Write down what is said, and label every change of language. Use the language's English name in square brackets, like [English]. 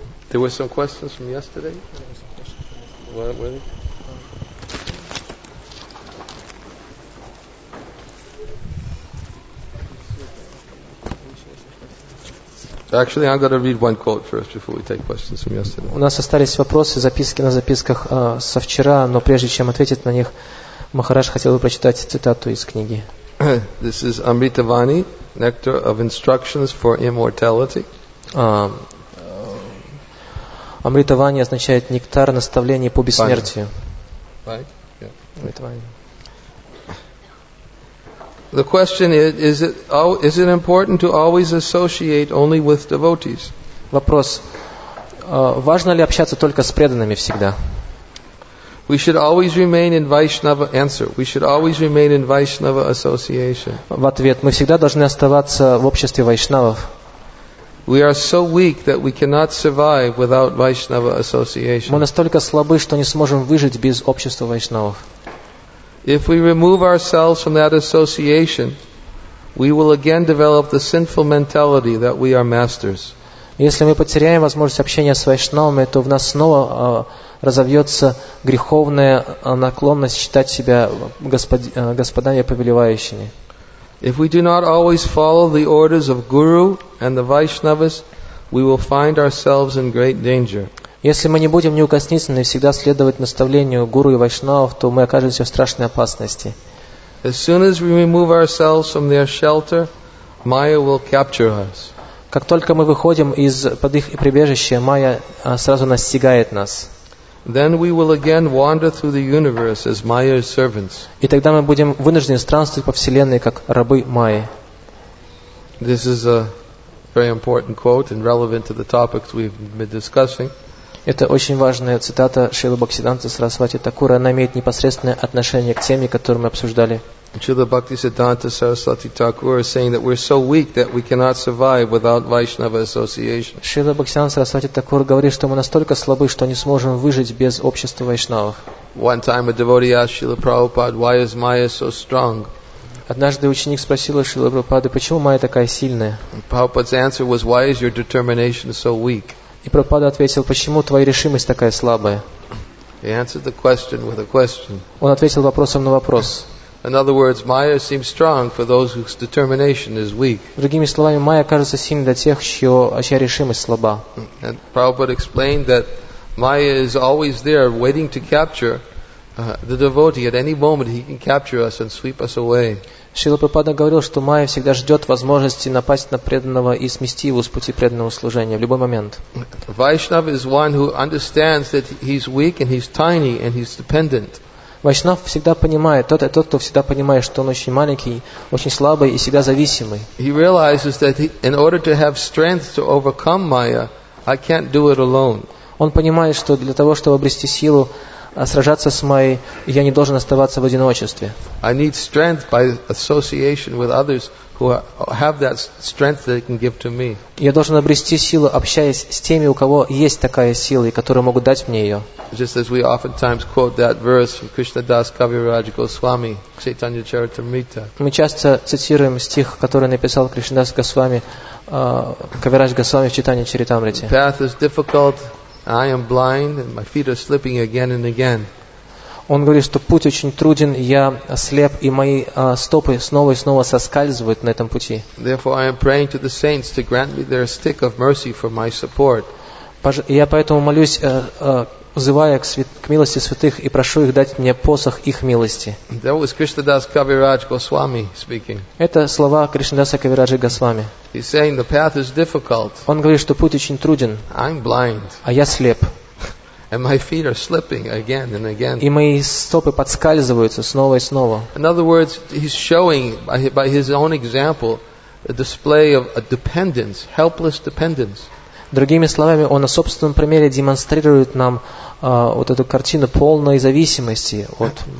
[English] There were some questions from yesterday. Were they? Actually, I'm going to read one quote first before we take questions from yesterday. [Russian] У нас остались вопросы, записки на записках со вчера, но прежде чем ответить на них, Махарадж хотел бы прочитать цитату из книги. [English] This is Amritavani, Nectar of Instructions for Immortality. [Russian] Амритавани означает нектар наставления по бессмертию. Амритавани. [English] The question is it important to always associate only with devotees? [Russian] Вопрос. Важно ли общаться только с преданными всегда? [English] We should always remain in Vaishnava answer. We should always remain in Vaishnava association. [Russian] В ответ мы всегда должны оставаться в обществе вайшнавов. [English] We are so weak that we cannot survive without Vaishnava association. [Russian] Мы настолько слабы, что не сможем выжить без общества вайшнавов. [English] If we remove ourselves from that association, we will again develop the sinful mentality that we are masters. [Russian] Если мы потеряем возможность общения с вайшнавами, то в нас снова разовьется греховная наклонность считать себя господами повелевающими. [English] If we do not always follow the orders of Guru and the Vaishnavas, we will find ourselves in great danger. [Russian] Если мы не будем неукоснительны и всегда следовать наставлению Гуру и Вайшнавов, то мы окажемся в страшной опасности. [English] As soon as we remove ourselves from their shelter, Maya will capture us. [Russian] Как только мы выходим из под их прибежища, Майя сразу настигает нас. [English] Then we will again wander through the universe as Maya's servants. [Russian] И тогда мы будем вынуждены странствовать по вселенной как рабы Майи. [English] This is a very important quote and relevant to the topics we've been discussing. [Russian] Это очень важная цитата Шрилы Бхактисиддханты Сарасвати Такура. Она имеет непосредственное отношение к теме, которую мы обсуждали. [English] Шрила Бхактисиддханта Сарасвати Такура saying that we're so weak that we cannot survive without Vaishnava association. [Russian] Шрила Бхактисиддханта Сарасвати Такура говорит, что мы настолько слабы, что не сможем выжить без общества вайшнавов. [English] One time a devotee asked Шрила Прабхупада, why is Maya so strong? [Russian] Однажды ученик спросил Шрилы Прабхупады, почему Майя такая сильная? [English] Prabhupada's answer was, why is your determination so weak? [Russian] И Прабхупада ответил, почему твоя решимость такая слабая? [English] He answered the question with a question. [Russian] Он ответил вопросом на вопрос. [English] In other words, Maya seems strong for those whose determination is weak. [Russian] Другими словами, Майя кажется сильной для тех, чья решимость слаба. [English] And Prabhupada explained that Maya is always there waiting to capture the devotee. At any moment he can capture us and sweep us away. [Russian] Шрила Прабхупада говорил, что Майя всегда ждет возможности напасть на преданного и смести его с пути преданного служения в любой момент. [English] Vaishnava is one who understands that he's weak and he's tiny and he's dependent. [Russian] Вайшнав всегда понимает, тот, кто всегда понимает, что он очень маленький, очень слабый и всегда зависимый. [English] He realizes that in order to have strength to overcome Maya, I can't do it alone. [Russian] Он понимает, что для того, чтобы обрести силу сражаться с моей, я не должен оставаться в одиночестве. [English] I need strength by association with others who have that strength that they can give to me. [Russian] Я должен обрести силу, общаясь с теми, у кого есть такая сила и которые могут дать мне ее. [English] Just as we oftentimes quote that verse from Krishnadas Kaviraj Goswami, Chaitanya Charitamrita. [Russian] Мы часто цитируем стих, который написал Кришнадас Госвами, Кавирадж Госвами в Чайтанья Чаритамрите. [English] Path is difficult. I am blind and my feet are slipping again and again. [Russian] Он говорит, что путь очень труден, я слеп, и мои стопы снова и снова соскальзывают на этом пути. [English] Therefore I am praying to the saints to grant me their stick of mercy for my support. [Russian] Я поэтому молюсь, взывая к милости святых и прошу их дать мне посох их милости. [English] That was Krishnadas Kaviraj Goswami speaking. [Russian] Это слова Кришнадаса Кавираджи Госвами. [English] He's saying the path is difficult. [Russian] Он говорит, что путь очень труден. [English] I'm blind. [Russian] А я слеп. [English] And my feet are slipping again and again. [Russian] И мои стопы подскальзываются снова и снова. [English] In other words, he's showing by his own example a display of a dependence, helpless dependence. [Russian] Другими словами, он на собственном примере демонстрирует нам вот эту картину полной зависимости от